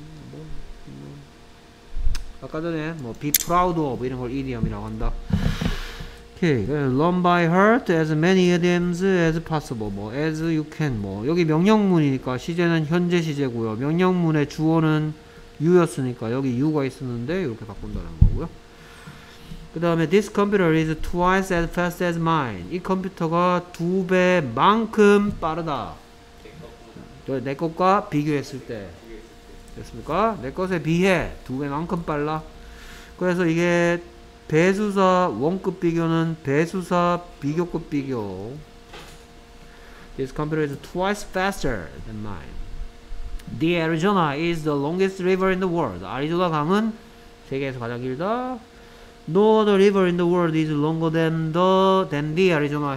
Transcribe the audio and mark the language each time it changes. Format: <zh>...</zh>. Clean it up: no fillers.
<ko>뭐. 아까 전에 뭐 be proud of 이런 걸 이염이라고 한다. 오케이.</ko> <en>learn by heart as many idioms as possible. 뭐 as you can.</en> <ko>뭐 여기 명령문이니까 시제는 현재 시제고요. 명령문의 주어는 U였으니까 여기 U가 있었는데 이렇게 바꾼다는 거고요. 그 다음에</ko> <en>This computer is twice as fast as mine.</en> <ko>이 컴퓨터가 두 배만큼 빠르다. 내 것과 비교했을 때. 됐습니까? 내 것에 비해 두 배만큼 빨라. 그래서 이게 배수사 원급 비교는 배수사 비교급 비교.</ko> <en>This computer is twice faster than mine. The Arizona is the longest river in the world.</en> <ko>아리조나 강은 세계에서 가장 길다.</ko> <en>No other river in the world is longer than the Arizona.</en>